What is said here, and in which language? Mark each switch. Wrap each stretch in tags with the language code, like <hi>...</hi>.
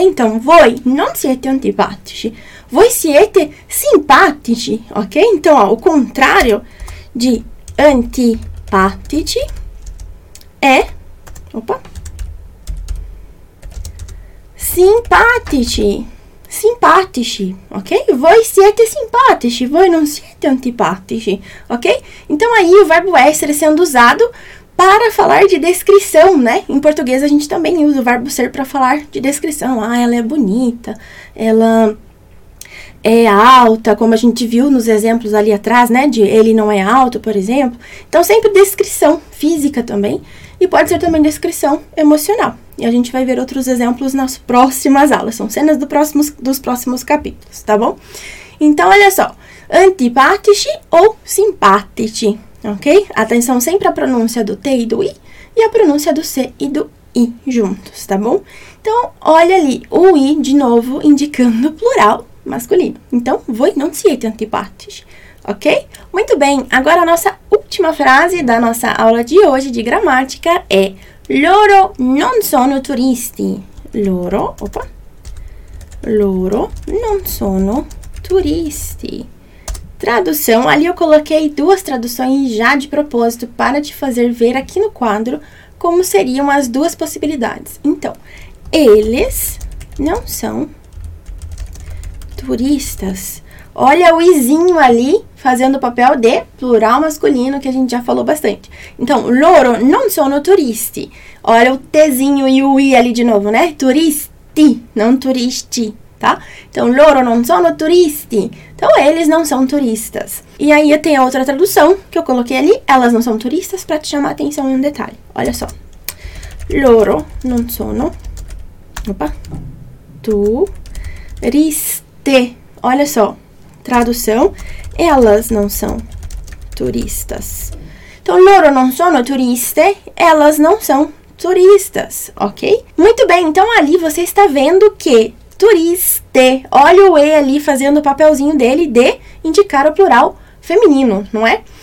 <it>Então, voi non siete antipatici. Voi siete simpatici, ok?</it> <pt>Então, ó, o contrário de antipatici é, opa, simpatici, simpatici, ok?</pt> <it>Voi siete simpatici, voi non siete antipatici, ok?</it> <pt>Então, aí, o verbo essere sendo usado para falar de descrição, né? Em português, a gente também usa o verbo ser para falar de descrição. Ah, ela é bonita, ela é alta, como a gente viu nos exemplos ali atrás, né? De ele não é alto, por exemplo. Então, sempre descrição física também. E pode ser também descrição emocional. E a gente vai ver outros exemplos nas próximas aulas. São cenas dos próximos capítulos, tá bom? Então, olha só.</pt> <it>Antipatici ou simpatici, ok?</it> <pt>Atenção sempre à pronúncia do T e do I. E a pronúncia do C e do I juntos, tá bom? Então, olha ali. O I, de novo, indicando plural masculino.</pt> <it>Então, voi non siete antipatici, ok?</it> <pt>Muito bem, agora a nossa última frase da nossa aula de hoje de gramática é</pt> <it>loro non sono turisti. Loro, opa, loro non sono turisti.</it> <pt>Tradução, ali eu coloquei duas traduções já de propósito para te fazer ver aqui no quadro como seriam as duas possibilidades. Então, eles não são turistas. Olha o izinho ali fazendo o papel de plural masculino que a gente já falou bastante.</pt> <it>Então, loro non sono turisti.</it> <pt>Olha o tezinho e o i ali de novo, né? Turisti, não turisti, tá?</pt> <it>Então, loro non sono turisti.</it> <pt>Então, eles não são turistas. E aí, tem a outra tradução que eu coloquei ali. Elas não são turistas, para te chamar a atenção em um detalhe. Olha só.</pt> <it>Loro non sono, opa, turisti.</it> <pt>T, olha só, tradução, elas não são turistas. Então,</pt> <it>loro non sono turiste,</it> <pt>elas não são turistas, ok? Muito bem, então ali você está vendo que turiste, olha o E ali fazendo o papelzinho dele de indicar o plural feminino, não é?</pt>